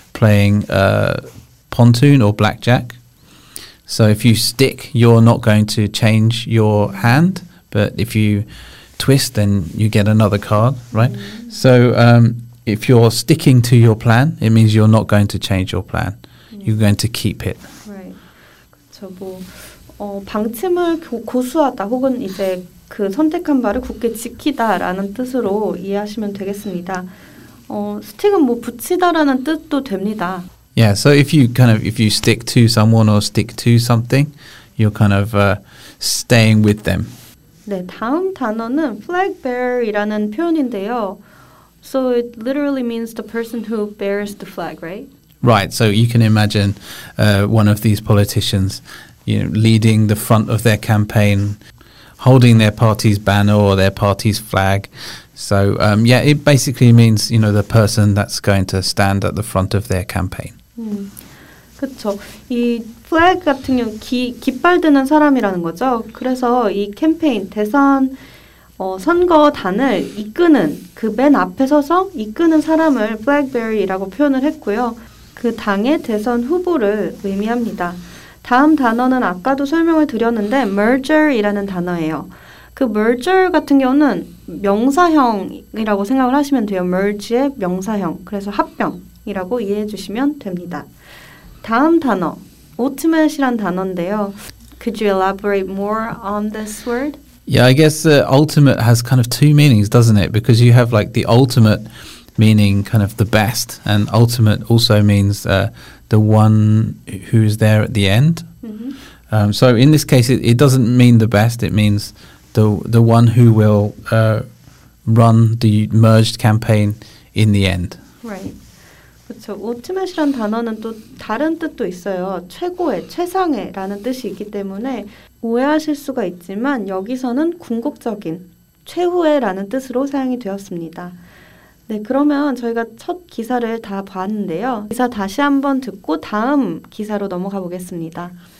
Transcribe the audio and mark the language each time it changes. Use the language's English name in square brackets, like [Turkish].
[English] playing pontoon or blackjack. So if you stick, you're not going to change your hand, but if you twist, then you get another card, right? Mm-hmm. So if you're sticking to your plan, it means you're not going to change your plan. Mm-hmm. You're going to keep it. Right. [Korean] 그렇죠. 방침을 고수하다 혹은 이제 그 선택한 바를 굳게 지키다라는 뜻으로 이해하시면 되겠습니다. 스틱은 뭐 붙이다라는 뜻도 됩니다. [English] Yeah, so if you stick to someone or stick to something, you're kind of staying with them. [Korean] 네, 다음 단어는 flag bearer이라는 표현인데요. [English] So it literally means the person who bears the flag, right? Right. So you can imagine one of these politicians, you know, leading the front of their campaign. Holding their party's banner or their party's flag. So, yeah, it basically means, you know, the person that's going to stand at the front of their campaign. [Korean] 그렇죠. 이 flag 같은 경우 깃발 드는 사람이라는 거죠. 그래서 이 캠페인, 대선 선거단을 이끄는, 그 맨 앞에 서서 이끄는 사람을 flag bearer이라고 표현을 했고요. 그 당의 대선 후보를 의미합니다. 다음 단어는 아까도 설명을 드렸는데 merger이라는 단어예요. 그 merger 같은 경우는 명사형이라고 생각을 하시면 돼요. merge의 명사형. 그래서 합병이라고 이해해 주시면 됩니다. 다음 단어, ultimate이라는 단어인데요. [English] Could you elaborate more on this word? Yeah, I guess ultimate has kind of two meanings, doesn't it? Because you have like the ultimate meaning kind of the best, and ultimate also means the one who is there at the end. Mm-hmm. So in this case, it doesn't mean the best. It means the one who will run the merged campaign in the end. [Korean] Right. 그렇죠. Ultimate이라는 단어는 또 다른 뜻도 있어요. 최고의, 최상의라는 뜻이 있기 때문에 오해하실 수가 있지만 여기서는 궁극적인, 최후의라는 뜻으로 사용이 되었습니다. 네, 그러면 저희가 첫 기사를 다 봤는데요. 기사 다시 한번 듣고 다음 기사로 넘어가 보겠습니다.